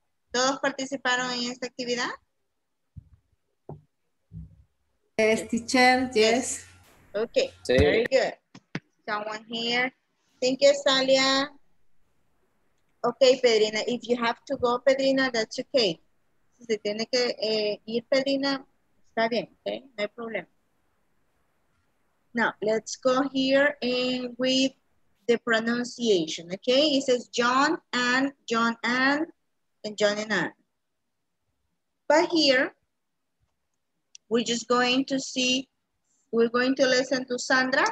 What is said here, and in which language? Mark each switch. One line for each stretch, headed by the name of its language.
Spanish: ¿Todos participaron en esta actividad?
English: Yes, teacher, yes. Okay, sí. Very good. Someone here. Thank you, Salia. Okay, Pedrina, if you have to go, Pedrina, that's okay.
Spanish: Si se tiene que ir, Pedrina, está bien, okay? No hay problema.
English: Now, let's go here and with the pronunciation, okay? It says John and and John and Ann. But here, we're just going to see, we're going to listen to Sandra.